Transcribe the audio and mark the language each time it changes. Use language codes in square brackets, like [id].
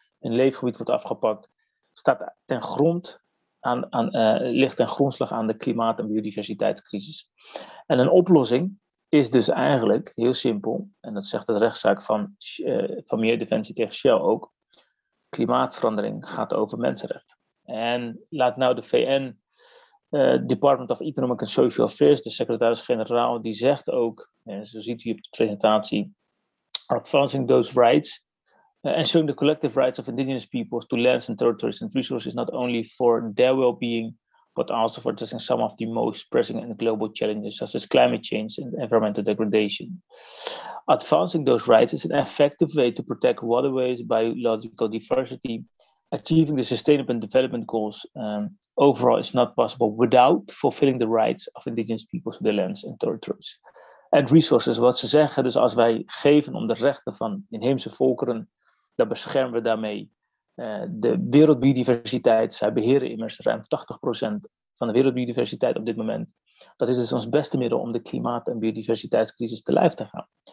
[nl] Hun leefgebied wordt afgepakt. Staat ten grond ligt ten grondslag aan de klimaat- en biodiversiteitscrisis. En een oplossing is dus eigenlijk heel simpel, en dat zegt de rechtszaak van Milieudefensie tegen Shell ook, klimaatverandering gaat over mensenrechten. En laat nou de VN, [en] Department of Economic and Social Affairs, [nl] de secretaris-generaal, die zegt ook, zo ziet u op de presentatie, [en] advancing those rights, ensuring the collective rights of indigenous peoples to lands and territories and resources, not only for their well-being, but also for addressing some of the most pressing and global challenges, such as climate change and environmental degradation. Advancing those rights is an effective way to protect waterways, biological diversity. Achieving the sustainable development goals overall is not possible without fulfilling the rights of indigenous peoples to their lands and territories. And resources, [nl] wat ze zeggen, dus als wij geven om de rechten van inheemse volkeren, dan beschermen we daarmee de wereldbiodiversiteit. Zij beheren immers ruim 80% van de wereldbiodiversiteit op dit moment. Dat is dus ons beste middel om de klimaat- en biodiversiteitscrisis te lijf te gaan.